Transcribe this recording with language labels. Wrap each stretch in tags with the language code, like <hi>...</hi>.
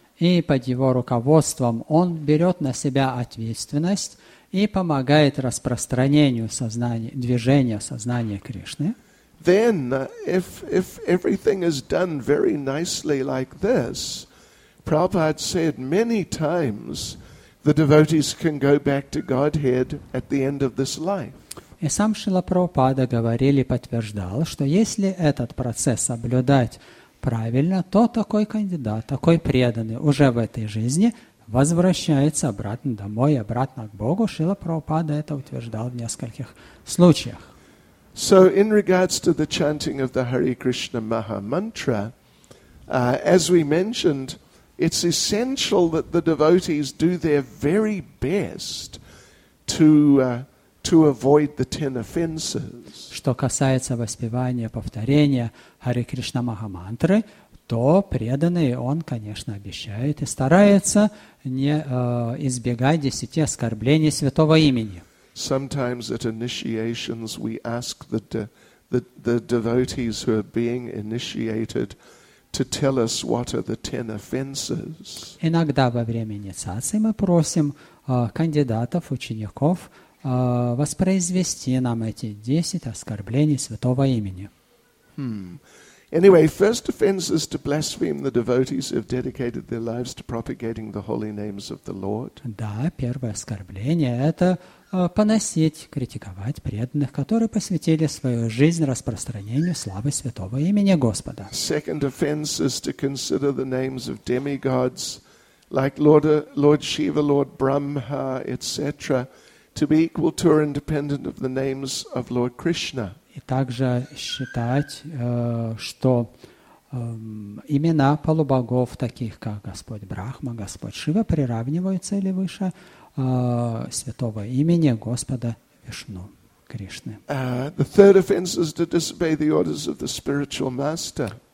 <ru>И под его руководством он берет на себя ответственность и помогает распространению сознания, движения сознания Кришны.</ru> <en>Then, if everything is done very nicely like this, Prabhupada said many times, the devotees can go back to Godhead at the end of this life.</en> <ru>И сам Шрила Прабхупада говорил и подтверждал, что если этот процесс соблюдать правильно, то такой кандидат, такой преданный уже в этой жизни возвращается обратно домой, обратно к Богу. Шрила Прабхупада это утверждал в нескольких случаях.</ru> <en>So in regards to the chanting of the Hare Krishna Maha Mantra, as we mentioned, it's essential that the devotees do their very best to avoid the 10 offenses.</en> <ru>Что касается воспевания, повторения Hare Krishna Maha Mantra, то преданный он, конечно, обещает и старается избегать 10 оскорблений святого имени.</ru> <en>Sometimes at initiations we ask the devotees who are being initiated to tell us what are the 10 offenses.</en> <ru>Иногда во время инициации мы просим кандидатов, учеников воспроизвести нам эти 10 оскорблений святого имени.</ru> <en>Anyway, first offense is to blaspheme the devotees who have dedicated their lives to propagating the holy names of the Lord.</en> <ru>Да, первое оскорбление – это поносить, критиковать преданных, которые посвятили свою жизнь распространению славы святого имени Господа.</ru> <en>Second offense is to consider the names of demigods, like Lord Shiva, Lord Brahma, etc., to be equal to or independent of the names of Lord Krishna.</en> <ru>И также считать, что имена полубогов, таких как Господь Брахма, Господь Шива, приравниваются или выше святого имени Господа Вишну, Кришны.</ru> <en>The third offense is to disobey the orders of the spiritual master.</en>